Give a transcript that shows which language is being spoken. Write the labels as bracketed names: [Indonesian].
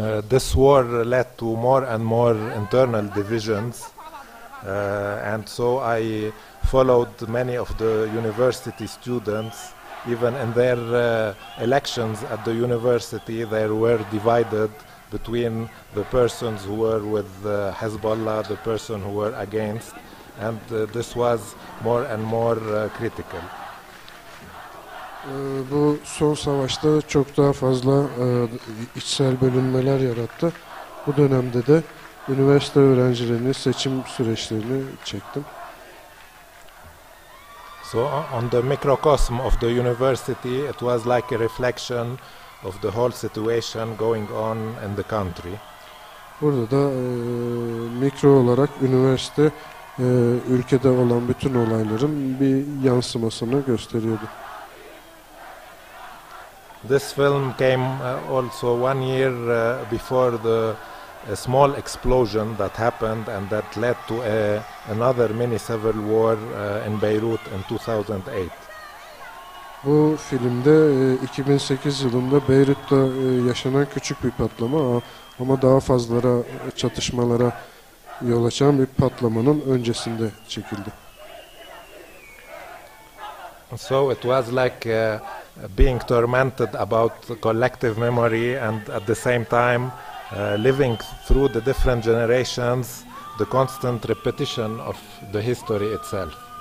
[English] This war led to more and more internal divisions, and so I followed many of the university students even in their elections at the university, they were divided between the persons who were with Hezbollah, the person who were against, and this was more and more critical. [Turkish] Bu son savaşta çok daha fazla içsel bölünmeler yarattı. Bu dönemde de üniversite öğrencilerini seçim süreçlerini çektim. [English] So on the microcosm of the university, it was like a reflection of the whole situation going on in the country. [Turkish] Burada da mikro olarak üniversite ülkede olan bütün olayların bir yansımasını gösteriyordu. [English] This film came also 1 year before the small explosion that happened and that led to another mini civil war in Beirut in 2008. [Turkish] Bu filmde 2008 yılında Beyrut'ta yaşanan küçük bir patlama ama daha fazlara çatışmalara yol açan bir patlamanın öncesinde çekildi. [English] So it was like being tormented about collective memory and at the same time living through the different generations, the constant repetition of the history itself.